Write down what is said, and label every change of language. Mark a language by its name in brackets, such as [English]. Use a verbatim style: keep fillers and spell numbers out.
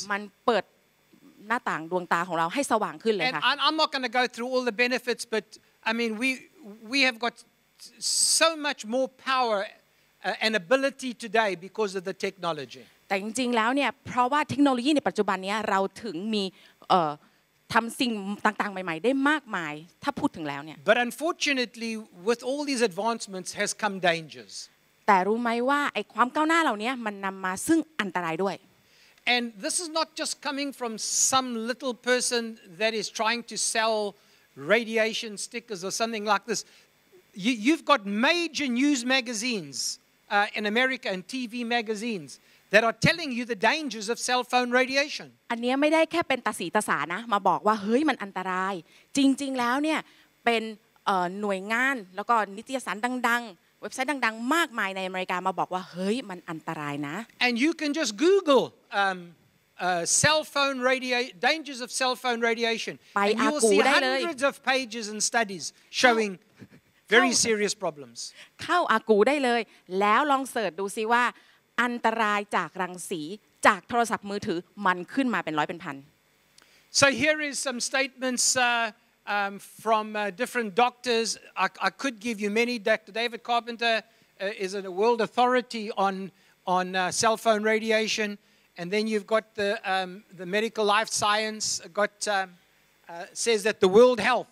[Thai] มันเปิดหน้าต่างดวงตาของเราให้สว่างขึ้นเลยค่ะ [English] And I'm not going to go through all the benefits, but I mean we we have got so much more power and ability today because of the technology. [Thai] แต่จริงๆแล้วเนี่ยเพราะว่าเทคโนโลยีในปัจจุบันเนี้ยเราถึงมีเอ่อทำสิ่งต่างๆใหม่ๆได้มากมายถ้าพูดถึงแล้วเนี่ย [English] But unfortunately with all these advancements has come dangers [Thai] แต่รู้ไหมว่าไอ้ความก้าวหน้าเหล่านี้มันนำมาซึ่งอันตรายด้วย [English] And this is not just coming from some little person that is trying to sell radiation stickers or something like this you, you've got major news magazines uh, in America and T V magazines that are telling you the dangers of cell phone radiation [Thai] อันเนี้ยไม่ได้แค่เป็นตาสีตาสานะมาบอกว่าเฮ้ยมันอันตรายจริงๆแล้วเนี่ยเป็นเอ่อหน่วยงานแล้วก็นิตยสารดังๆเว็บไซต์ดังๆมากมายในอเมริกามาบอกว่าเฮ้ยมันอันตรายนะ [English] And you can just Google um uh cell phone radiation dangers of cell phone radiation and you will see hundreds of pages and studies showing very serious problems [Thai] เข้าอากูได้เลยแล้วลองเสิร์ชดูซิว่าอันตรายจากรังสีจากโทรศัพท์มือถือมันขึ้นมาเป็นร้อยเป็นพัน [English] So here is some statements uh, um, from uh, different doctors. I, I could give you many. Doctor David Carpenter uh, is a world authority on on uh, cell phone radiation, and then you've got the um, the medical life science got um, uh, says that the World Health.